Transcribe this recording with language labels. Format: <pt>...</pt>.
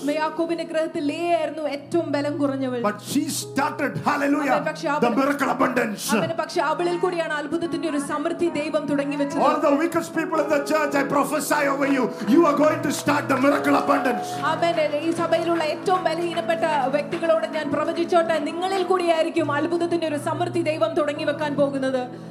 <ml>May യാക്കോബിനെ ഗൃഹത്തിൽ ലിയ ആയിരുന്നു ഏറ്റവും ബലം കുറഞ്ഞവൾ.</ml> <en>But she started, hallelujah, the miracle abundance.</en> <ml>അവനെ പക്ഷേ അവളിൽ കൂടിയാണ് അത്ഭുതത്തിന്റെ ഒരു സമൃദ്ധി ദൈവം തുടങ്ങി വെച്ചത്.</ml> <en>All the weakest people in the church, I prophesy over you. You are going to start the miracle abundance.</en> <ml>അവനെ ഈ സഭയിലുള്ള ഏറ്റവും ബലഹീനപ്പെട്ട വ്യക്തികളോട് ഞാൻ പ്രവചിച്ചോട്ടെ, നിങ്ങളിൽ കൂടിയായിരിക്കും അത്ഭുതത്തിന്റെ ഒരു സമൃദ്ധി ദൈവം തുടങ്ങി വെക്കാൻ പോകുന്നത്.</ml>